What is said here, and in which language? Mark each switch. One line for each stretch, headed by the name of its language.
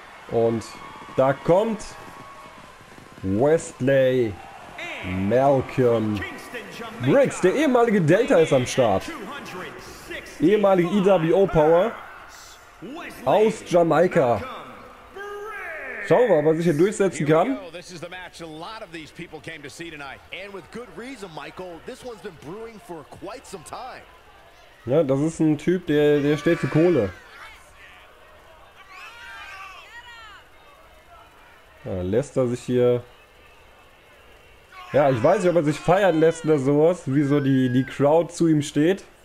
German: Und da kommt Wesley Malcolm Briggs, der ehemalige Delta ist am Start. Ehemalige EWO Power aus Jamaika. Schauen wir mal, was ich hier durchsetzen kann.
English: This is the match a lot of these people came to see tonight. And with good reason, Michael, this one's been brewing for quite some time.
German: Ja, das ist ein Typ, der steht für Kohle. Ja, lässt er sich hier. Ja, ich weiß nicht, ob er sich feiern lässt oder sowas, wie so die Crowd zu ihm steht.